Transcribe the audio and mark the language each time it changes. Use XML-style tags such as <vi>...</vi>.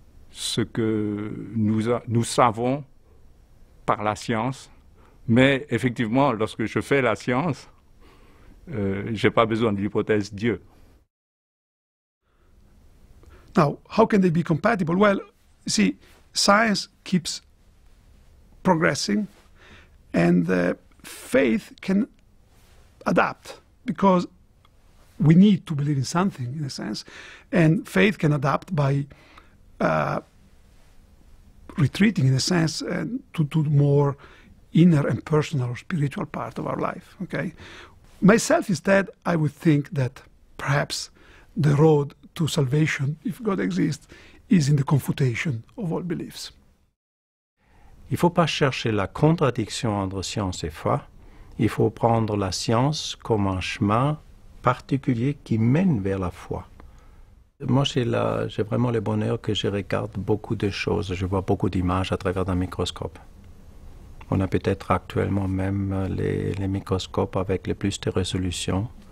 <fr>ce que nous savons par la science. Mais effectivement, lorsque je fais la science, je n'ai pas besoin de l'hypothèse Dieu.</fr> <en>Now, how can they be compatible? Well, see, science keeps progressing and faith can adapt because we need to believe in something, in a sense, and faith can adapt by retreating, in a sense, and to more inner and personal or spiritual part of our life, okay? Myself, instead, I would think that perhaps the road to salvation, if God exists, is in the confutation of all beliefs.</en> <fr>Il ne faut pas chercher la contradiction entre science et foi. Il faut prendre la science comme un chemin particulier qui mène vers la foi. Moi, j'ai vraiment le bonheur que je regarde beaucoup de choses. Je vois beaucoup d'images à travers un microscope. On a peut-être actuellement même les microscopes avec le plus de résolution.</fr>